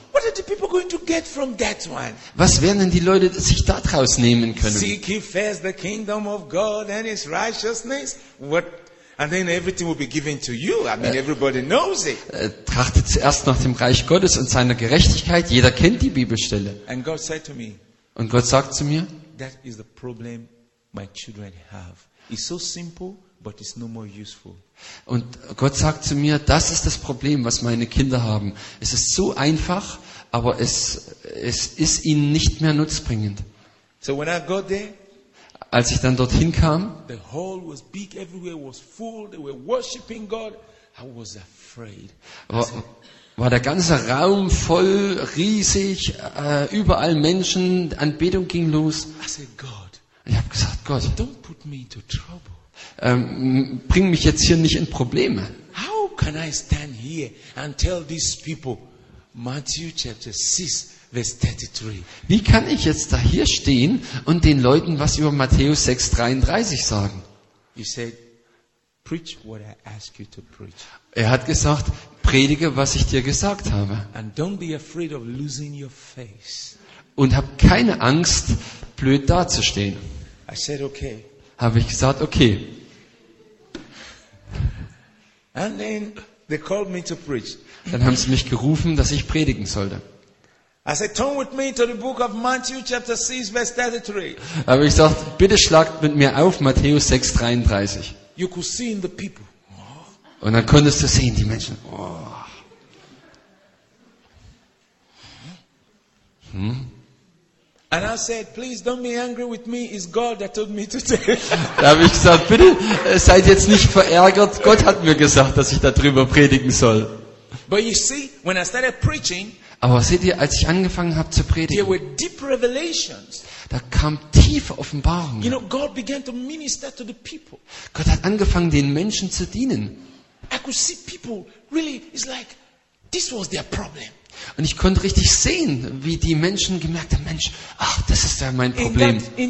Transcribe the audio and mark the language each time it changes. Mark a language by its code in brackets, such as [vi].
[en] What are the people going to get from that one? [de] Was werden denn die Leute sich da draus nehmen können? [en] Seek ye first the kingdom of God and his righteousness. What? And then everything will be given to you. I mean, everybody knows it. [de] Trachtet zuerst nach dem Reich Gottes und seiner Gerechtigkeit. Jeder kennt die Bibelstelle. [en] And God said to me. [de] Und Gott sagt zu mir. [en] That is the problem my children have. It's so simple, but it's no more useful. [de] Und Gott sagt zu mir, das ist das Problem, was meine Kinder haben. Es ist so einfach, aber es ist ihnen nicht mehr nutzbringend. [en] So when I got there, [de] als ich dann dorthin kam, [en] the hall was big, everywhere was full, they were worshiping God. I was afraid. [de] War der ganze Raum voll, riesig, überall Menschen, Anbetung ging los. [en] I said, God. [de] Ich habe gesagt, Gott, [en] don't put me into trouble. [de] Bring mich jetzt hier nicht in Probleme. [en] How can I stand here and tell these people Matthew chapter 6 verse 33? [de] Wie kann ich jetzt da hier stehen und den Leuten was über Matthäus 6, 33 sagen? [en] He said, preach what I ask you to preach. [de] Er hat gesagt, predige, was ich dir gesagt habe. [en] And don't be afraid of losing your face. [de] Und hab keine Angst, blöd dazustehen. [en] I said, okay. [de] Habe ich gesagt, okay. [en] And then they called me to preach. [de] Dann haben sie mich gerufen, dass ich predigen sollte. [en] I said, turn with me to the book of Matthew chapter 6 verse 33. [de] Habe ich gesagt, bitte schlagt mit mir auf Matthäus 6, 33. [en] You could see in the people. [de] Und dann konntest du sehen, die Menschen. Oh. [en] And I said, please don't be angry with me. It's God that told me to tell. [de] Da habe ich gesagt, bitte seid jetzt nicht verärgert. Gott hat mir gesagt, dass ich darüber predigen soll. [en] But you see, when I started preaching, [de] aber seht ihr, als ich angefangen habe zu predigen, [en] there were deep revelations. [de] Da kam tiefe Offenbarungen. [en] You know, God began to minister to the people. [de] Gott hat angefangen, den Menschen zu dienen. [en] I could see people really. It's like this was their problem. [de] Und ich konnte richtig sehen, wie die Menschen gemerkt haben, Mensch, ach, das ist ja mein Problem.